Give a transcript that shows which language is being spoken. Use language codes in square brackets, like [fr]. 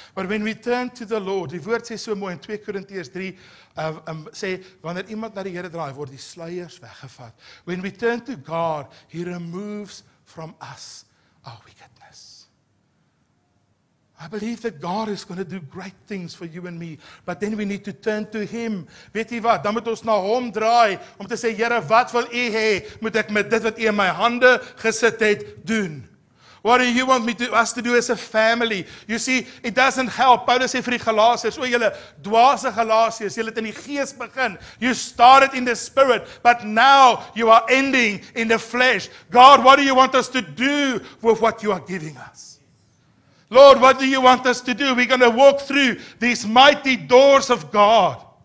[en] But when we turn to the Lord, [af] die woord sê so mooi in 2 Korintiërs 3, sê, wanneer iemand naar die Here draai, word die sluiers weggevat. [en] When we turn to God, He removes from us our wickedness. I believe that God is going to do great things for you and me, but then we need to turn to Him. [af] Weet jy wat, dan moet ons na Hom draai, om te sê, Here, wat wil jy hê, moet ek met dit wat jy in my hande gesit het, doen? [en] What do you want us to do as a family? You see, it doesn't help. [af] Paulus sê vir die Galasiërs, o julle dwaase Galasiërs, julle het in die gees begin. [en] You started in the spirit, but now you are ending in the flesh. God, what do you want us to do with what you are giving us? Lord, what do you want us to do? We're going to walk through these mighty doors of God.